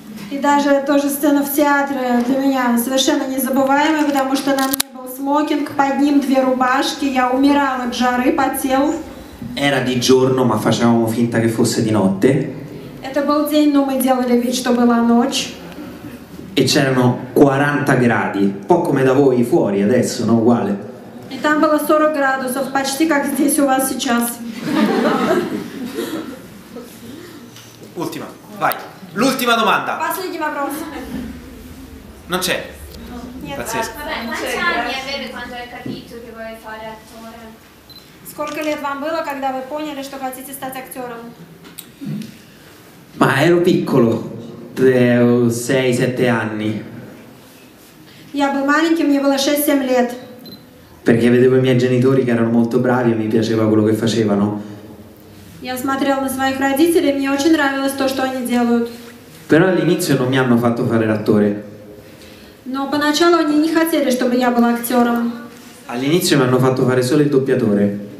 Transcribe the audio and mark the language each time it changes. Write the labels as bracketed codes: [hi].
[ru] E даже тоже сцена в театре для меня совершенно незабываемая, потому что на мне был смокинг, под ним две рубашки, я умирал от жары, потел. [it] Era di giorno, ma facevamo finta che fosse di notte. [ru] Это был день, но мы делали вид, что была ночь. [it] E c'erano 40 gradi, un po' come da voi fuori adesso, no? Uguale. [ru] E там было 40 градусов, почти как здесь у вас сейчас. [it] Ultima, vai. L'ultima domanda. [ru] Последний вопрос. [it] Non c'è. Pazzesco. Vabbè, quanti anni avevi quando hai capito che vuoi fare attore? [ru] Сколько лет вам было, когда вы поняли, что хотите стать актером? [it] Ma ero piccolo. 6-7 anni. [ru] Я был маленьким, мне было 6-7 лет. [it] Perché vedevo i miei genitori che erano molto bravi e mi piaceva quello che facevano. [ru] Я смотрел на своих родителей, мне очень нравилось то, что они делают. [it] Però all'inizio non mi hanno fatto fare l'attore. [ru] Но поначалу они не хотели, чтобы я была актером. [it] All'inizio mi hanno fatto fare solo il doppiatore.